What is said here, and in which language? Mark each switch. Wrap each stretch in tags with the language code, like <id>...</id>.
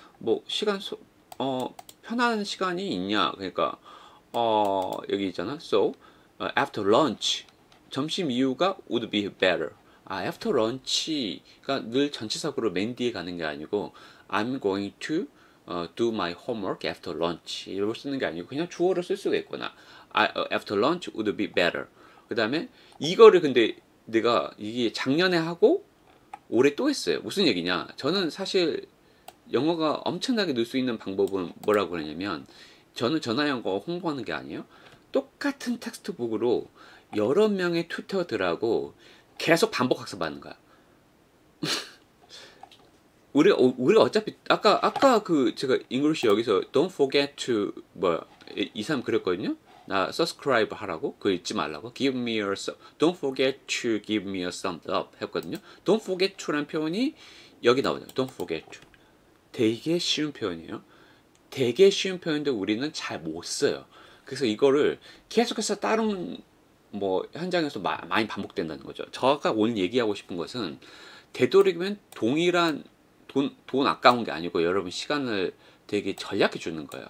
<ko>뭐 시간 편한 시간이 있냐? 그러니까 여기 있잖아.</ko> <en>So after lunch</en> <ko>점심 이후가</ko> <en>would be better.</en> <ko>아 after lunch가 늘 전치사구로 맨 뒤에 가는 게 아니고</ko> <en>I'm going to do my homework after lunch</en> <ko>이걸 쓰는 게 아니고 그냥 주어를 쓸 수가 있구나.</ko> <en>After lunch would be better.</en> <ko>그 다음에 이거를 근데 내가 이게 작년에 하고 올해 또 했어요. 무슨 얘기냐? 저는 사실 영어가 엄청나게 늘 수 있는 방법은 뭐라고 그러냐면 저는 전화영어 홍보하는 게 아니에요. 똑같은 텍스트북으로 여러 명의 튜터들하고 계속 반복 학습하는 거야. 우리 어차피 아까 그 제가 잉글리시 여기서</ko> <en>don't forget to</en> <ko>뭐야 이 사람 그랬거든요. 나</ko> <en>subscribe</en> <ko>하라고 그 잊지 말라고</ko> <en>give me your don't forget to give me a thumbs up</en> <ko>했거든요.</ko> <en>don't forget to</en> <ko>라는 표현이 여기 나오죠. don't forget to 되게 쉬운 표현이에요. 되게 쉬운 표현인데 우리는 잘 못 써요. 그래서 이거를 계속해서 다른 뭐 현장에서 많이 반복된다는 거죠. 저가 오늘 얘기하고 싶은 것은 되도록이면 동일한 돈 아까운 게 아니고 여러분 시간을 되게 절약해 주는 거예요.</ko>